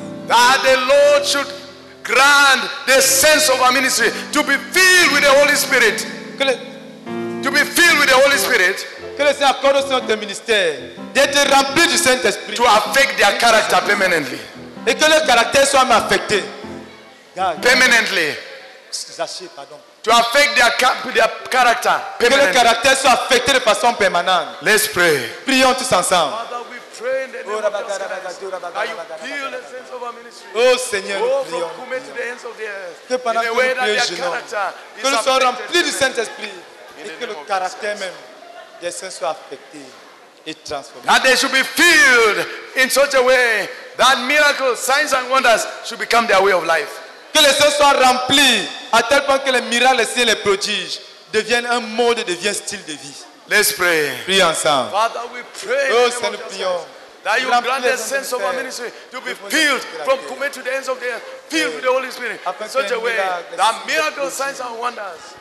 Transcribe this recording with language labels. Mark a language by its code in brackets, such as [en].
[en] That the Lord should grant the sense of our ministry to be filled with the Holy Spirit. [fr] Que le Seigneur accorde aussi notre ministère d'être rempli du Saint-Esprit. [en] To affect their character permanently. [fr] Et que leur caractère soit affecté. [en] Permanently. To affect their character. [fr] Que leur caractère soit affecté de façon permanente. [en] Let's pray. [fr] Prions tous ensemble. [en] Father, we trained in the name of Jesus. That you build the saints of our ministry. [fr] Oh, Seigneur, [en] oh, from Kume to the ends of the earth. In a way that their character is affected. In the name of Jesus. [fr] Que le caractère même des saints soit affecté. [en] That they should be filled in such a way that miracles, signs, and wonders should become their way of life. [fr] Que les saints soient remplis à tel point que les miracles, les signes, les prodiges deviennent un mode, deviennent style de vie. [en] Let's pray. [fr] Prie ensemble. [en] Father, we pray. [fr] Oh, Seigneur, nous prions. [en] That you grant the saints of our ministry to be filled from Kume to the ends of the earth, filled with the Holy Spirit in such a way that miracles, signs, and wonders